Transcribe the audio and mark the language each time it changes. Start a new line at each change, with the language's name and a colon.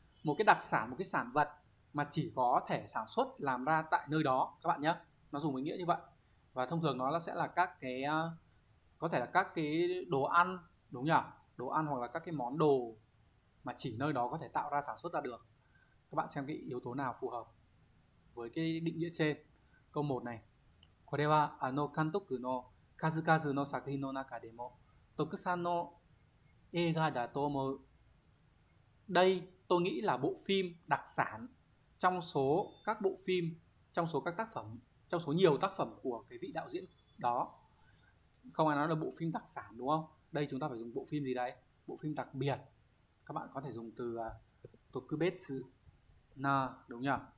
Vietnamese: Một cái đặc sản, một cái sản vật mà chỉ có thể sản xuất làm ra tại nơi đó các bạn nhé. Nó dùng với nghĩa như vậy. Và thông thường nó sẽ là các cái, có thể là các cái đồ ăn đúng nhỉ? Đồ ăn hoặc là các cái món đồ mà chỉ nơi đó có thể tạo ra sản xuất ra được. Các bạn xem cái yếu tố nào phù hợp với cái định nghĩa trên. Câu 1 này.
Japanese: これはあの監督の数々の作品の中でも特産の映画だと思う。
Vietnamese: Đây tôi nghĩ là bộ phim đặc sản trong số các bộ phim, trong số các tác phẩm, trong số nhiều tác phẩm của cái vị đạo diễn đó. Không ai nói là bộ phim đặc sản đúng không? Đây chúng ta phải dùng bộ phim gì đấy? Bộ phim đặc biệt. Các bạn có thể dùng từ tokubetsu na đúng nhỉ?